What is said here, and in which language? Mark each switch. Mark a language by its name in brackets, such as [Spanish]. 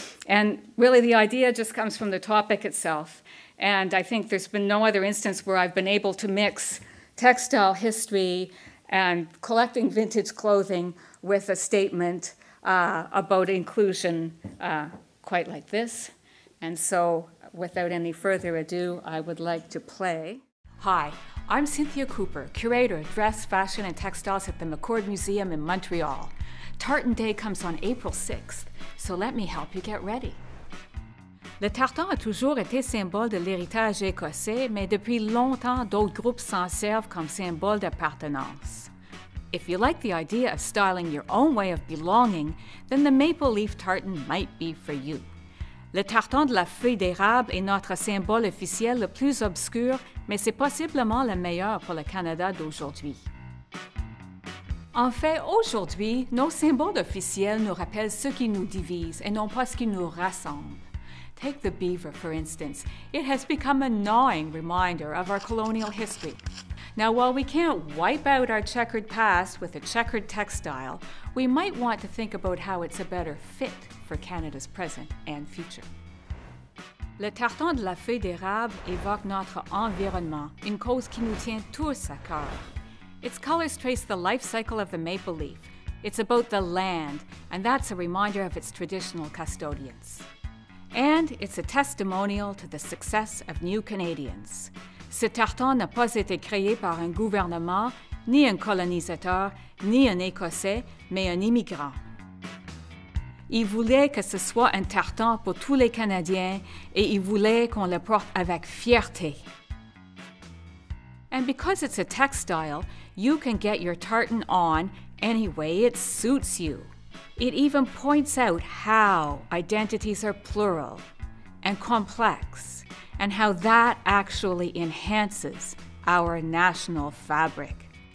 [English] And really the idea just comes from the topic itself. And I think there's been no other instance where I've been able to mix textile history and collecting vintage clothing with a statement about inclusion quite like this. And so, without any further ado, I would like to play. Hi, I'm Cynthia Cooper, curator of dress, fashion, and textiles at the McCord Museum in Montreal. Tartan Day comes on April 6th, so let me help you get ready. [French] Le tartan a toujours été symbole de l'héritage écossais, mais depuis longtemps, d'autres groupes s'en servent comme symbole d'appartenance. [English] If you like the idea of styling your own way of belonging, then the maple leaf tartan might be for you. [French] Le tartan de la feuille d'érable est notre symbole officiel le plus obscur, mais c'est possiblement le meilleur pour le Canada d'aujourd'hui. En fait, aujourd'hui, nos symboles officiels nous rappellent ce qui nous divise et non pas ce qui nous rassemble. [English] Take the beaver, for instance. It has become a gnawing reminder of our colonial history. Now, while we can't wipe out our checkered past with a checkered textile, we might want to think about how it's a better fit for Canada's present and future. [French] Le tartan de la feuille d'érable évoque notre environnement, une cause qui nous tient tous à cœur. [English] Its colors trace the life cycle of the maple leaf. It's about the land, and that's a reminder of its traditional custodians. And it's a testimonial to the success of new Canadians. [French] Ce tartan n'a pas été créé par un gouvernement, ni un colonisateur, ni un Écossais, mais un immigrant. Il voulait que ce soit un tartan pour tous les Canadiens et il voulait qu'on le porte avec fierté. [English] And because it's a textile, you can get your tartan on any way it suits you. It even points out how identities are plural and complex and how that actually enhances our national fabric.